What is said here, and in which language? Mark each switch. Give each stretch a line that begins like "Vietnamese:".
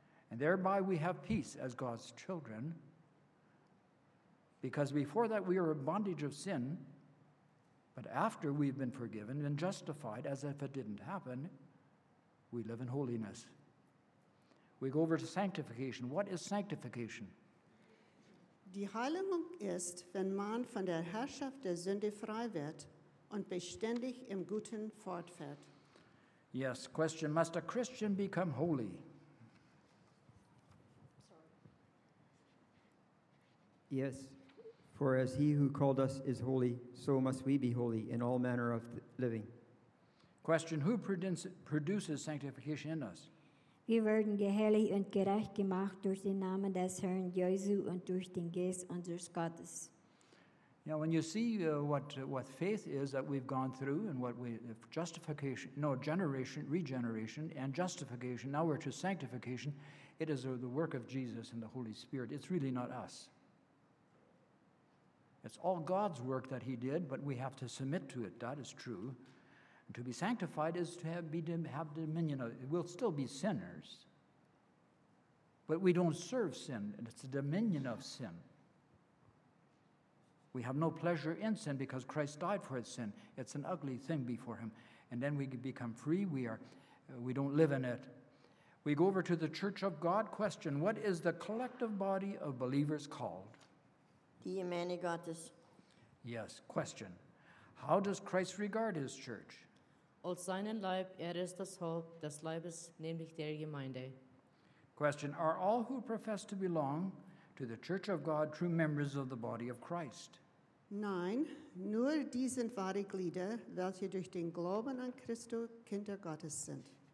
English: And thereby we have peace as God's children, because before that we are in bondage of sin, but after we've been forgiven and justified as if it didn't happen, we live in holiness. We go over to sanctification. What is sanctification?
German: Die Heiligung ist, wenn man von der Herrschaft der Sünde frei wird und beständig im Guten fortfährt.
English: Yes, question, must a Christian become holy? Sorry. Yes, for as he who called us is holy, so must we be holy in all manner of living. Question, who produces sanctification in us?
German: Wir werden geheiligt und gerecht gemacht durch den Namen des Herrn Jesu und durch den Geist unseres Gottes.
English: Now, when you see what faith is that we've gone through and what we regeneration and justification, now we're to sanctification, it is the work of Jesus and the Holy Spirit. It's really not us. It's all God's work that he did, but we have to submit to it. That is true. And to be sanctified is to have dominion. We'll still be sinners, but we don't serve sin, and it's the dominion of sin. We have no pleasure in sin because Christ died for his sin. It's an ugly thing before him. And then we become free. We don't live in it. We go over to the Church of God. Question, what is the collective body of believers called?
German: Die Gemeinde Gottes.
English: Yes, question. How does Christ regard his church?
German: Als seinen Leib, ist das Haupt des Leibes, nämlich der Gemeinde.
English: Question, are all who profess to belong to the Church of God true members of the body of Christ?
German: Nein, nur die sind wahre Glieder, welche durch den Glauben an Christus Kinder Gottes sind.